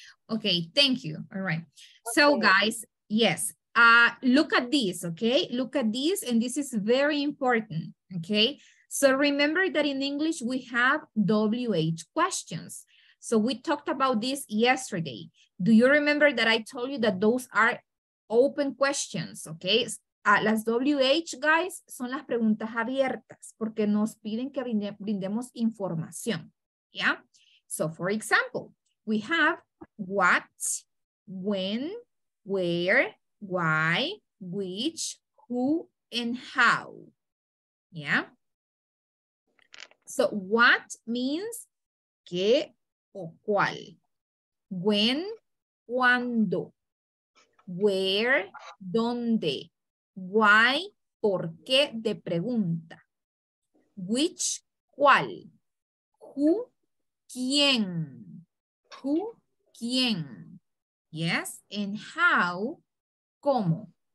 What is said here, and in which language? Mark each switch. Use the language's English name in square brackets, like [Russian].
[English] Okay, thank you. All right. So guys, yes, look at this, okay? Look at this, and this is very important, okay? So remember that in English, we have WH questions. So we talked about this yesterday. Do you remember that I told you that those are open questions, okay? [Spanish] Las WH, guys, son las preguntas abiertas porque nos piden que brindemos información, yeah? [English] So for example, we have what, when, where, why, which, who, and how, yeah? So what means [Spanish] qué o cuál, [English] when, [Spanish] cuándo, [English] where, [Spanish] dónde, [English] why, [Spanish] por qué de pregunta, [English] which, [Spanish] cuál, [English] who, [Spanish] quién, [English] yes, and how, [Spanish] cómo,